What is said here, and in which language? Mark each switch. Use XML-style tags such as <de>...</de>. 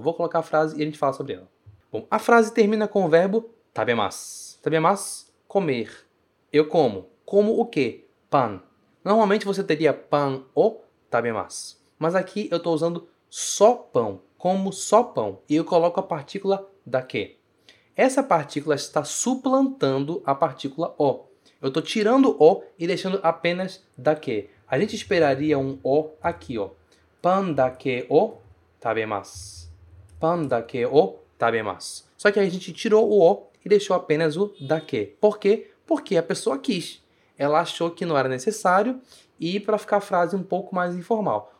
<pt>Vou colocar a frase e a gente fala sobre ela. Bom, a frase termina com o verbo tabemasu. Tabemasu, comer. Eu como. Como o quê? Pan. Normalmente você teria pan ou tabemasu. Mas aqui eu estou usando só pão. Como só pão. E eu coloco a partícula dake. Essa partícula está suplantando a partícula o. Eu estou tirando o e deixando apenas dake. A gente esperaria um o aqui, ó.</pt> <ja>Pan dake o tabemasu. Pan dake o tabemasu.</ja> <pt>Só que a gente tirou o e deixou apenas o dake. Por quê? Porque a pessoa quis. Ela achou que não era necessário e para ficar a frase um pouco mais informal.</pt>